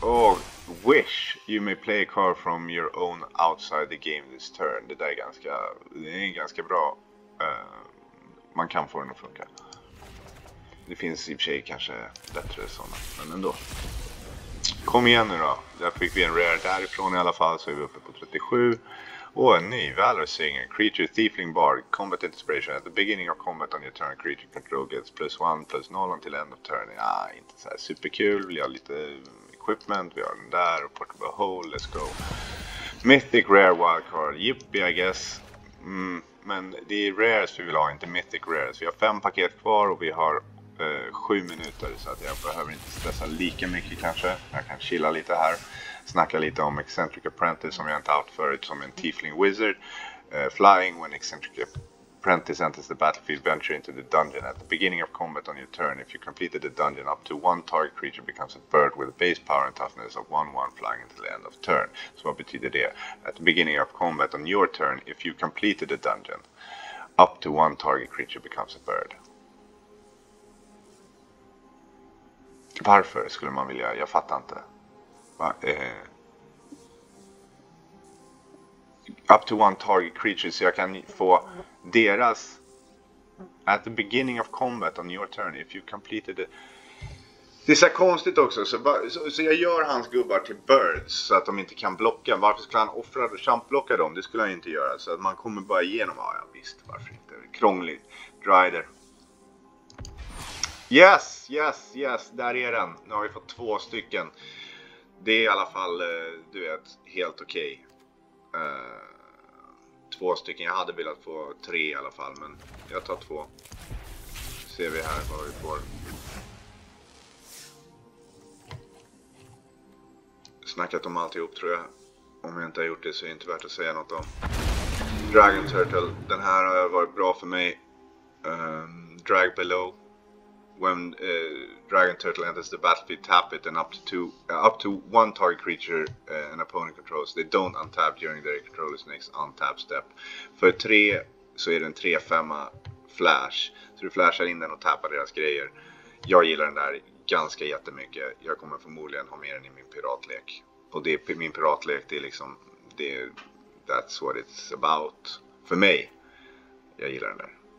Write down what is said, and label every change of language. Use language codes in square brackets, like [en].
[en] Och Wish, you may play a card from your own outside the game this turn. [sv] Det där är ganska, det är ganska bra. Man kan få den att funka. Det finns i och för sig kanske bättre sådana, men ändå. Kom igen nu då. Där fick vi en rare därifrån i alla fall, så är vi uppe på 37. Och en ny Valor Singer. [en] Creature Thiefling Bard. Combat Inspiration. At the beginning of combat on your turn, creature control gets plus 1, plus 0 until end of turn. [sv] Ja, inte så här superkul. Vi har lite equipment. Vi har den där. Portable Hole. [en] Let's go. Mythic Rare Wildcard. Yippie, I guess. [sv] Men det är rares vi vill ha, inte Mythic Rares. Vi har 5 paket kvar och vi har 7 minuter, så att jag behöver inte stressa lika mycket kanske. Jag kan chilla lite här. Snacka lite om Eccentric Apprentice som jag inte haft förut, som en Tiefling Wizard. [en] Flying when Eccentric Apprentice enters the battlefield, venture into the dungeon. At the beginning of combat on your turn, if you completed the dungeon, up to one target creature becomes a bird with a base power and toughness of 1-1 flying until the end of turn. [sv] Så vad betyder det? [en] At the beginning of combat on your turn, if you completed the dungeon, up to one target creature becomes a bird. [sv] Varför skulle man vilja? Jag fattar inte. [en] Up to one target creature, [sv] så jag kan få deras. [en] At the beginning of combat on your turn, if you completed it. [sv] Det är så konstigt också. Så jag gör hans gubbar till birds så att de inte kan blocka. Varför skulle han offra och champblocka dem? Det skulle han inte göra. Så att man kommer bara igenom. Ah, ja, visst. Varför inte? Krångligt. Drider. [en] Yes, yes, yes, [sv] där är den. Nu har vi fått 2 stycken. Det är i alla fall, du vet, helt okej. Okay. 2 stycken, jag hade velat få 3 i alla fall, men jag tar 2. Ser vi här vad vi får. snackat om alltihop tror jag. Om jag inte har gjort det så är det inte värt att säga något om. Dragon Turtle, den här har varit bra för mig. [en] Drag Below. When Dragon Turtle enters the battlefield, tap it and up to one target creature an opponent controls. They don't untap during their controller's next untap step. [sv] För 3 så är det en 3-5 flash. Så du flashar in den och tappar deras grejer. Jag gillar den där ganska jättemycket. Jag kommer förmodligen ha mer än i min piratlek. Och det är min piratlek, det är liksom, det är, [en] that's what it's about. [sv] För mig, jag gillar den där.